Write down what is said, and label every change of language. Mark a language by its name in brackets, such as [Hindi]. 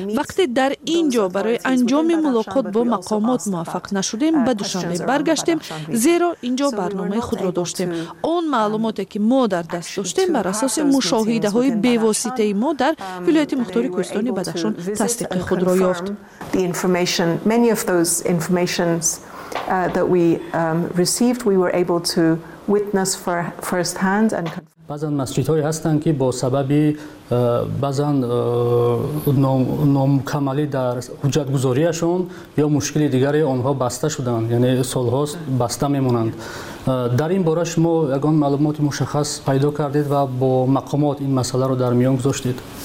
[Persian] وقتی در اینجا برای انجام ملاقات با مقامات موفق نشدیم، به دوشنبه برگشتیم، زیرا اینجا برنامه خود را داشتیم. آن معلوماتی که ما در دست داشتیم بر اساس مشاهده های بی واسطه ما در ولایت مختار کوهستان بدخشان تصدیق خود را یافت. [English] Information, many of those informations that we received, we were able to witness for firsthand and confirm. [Persian] بعضن مسجد های هستند که با سببی بعضن نامکمالی در حجت گذاریشون یا مشکل دیگری آنها بسته شدند، یعنی سال هاست بسته میمونند. در این باره شما یکان معلومات مشخص پیدا کردید و با مقامات این مسئله رو در میان گذاشتید؟